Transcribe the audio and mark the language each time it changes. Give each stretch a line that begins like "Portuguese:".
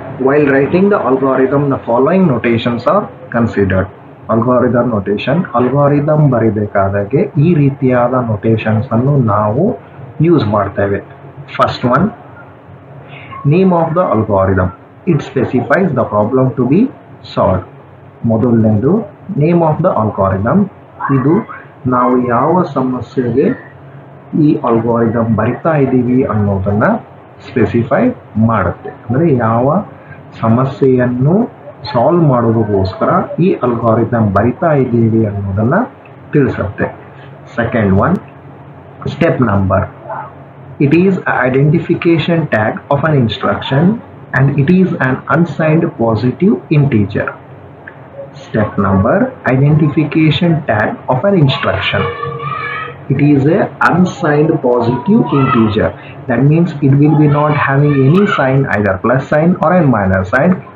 English: While writing the algorithm, the following notations are considered. Algorithm notation.
Kannada: Algorithm ಬರಿಬೇಕಾದಾಗೆ ಈ ರೀತಿಯಾದ notations ಅನ್ನು ನಾವು use ಮಾಡ್ತೇವೆ.
English: First one, name of the algorithm. It specifies the problem to be solve. ಮೊದಲನೇದು name of the algorithm.
Kannada: ಇದು ನಾವು ಯಾವ ಸಮಸ್ಯೆಗೆ ಈ ಅಲ್ಗಾರಿದಮ್ ಬರಿತಾ ಇದ್ದೀವಿ ಅನ್ನೋದನ್ನು ಸ್ಪೆಸಿಫೈ ಮಾಡುತ್ತೆ. ಅಂದರೆ ಯಾವ ಸಮಸ್ಯೆಯನ್ನು ಸಾಲ್ವ್ ಮಾಡೋದಕ್ಕೋಸ್ಕರ ಈ ಅಲ್ಗಾರಿದಮ್ ಬರಿತಾ ಇದ್ದೀವಿ ಅನ್ನೋದನ್ನು ತಿಳಿಸುತ್ತೆ.
English: Second one, step number. It is identification tag of an instruction and it is an unsigned positive integer. Step number, identification tag of an instruction. It is a unsigned positive integer. That means it will be not having any sign, either plus sign or a minus sign.